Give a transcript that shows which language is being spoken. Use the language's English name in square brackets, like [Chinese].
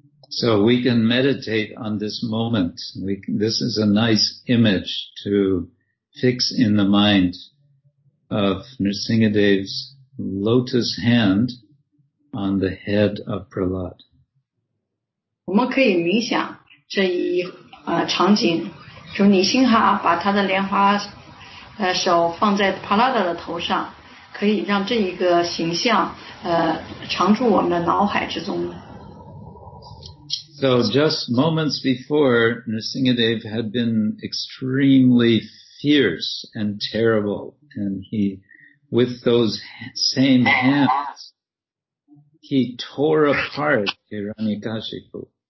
[English] So we can meditate on this moment. This is a nice image to fix in the mind of Nrisimhadev's lotus hand on the head of Prahlad. [Chinese] 我们可以冥想这一场景，主你心哈把他的莲花手放在 Prahlad 的头上，可以让这一个形象常驻我们的脑海之中。 [English] So just moments before, Nrisimhadev had been extremely fierce and terrible, and he, with those same hands, he tore apart Hiranyakashipu.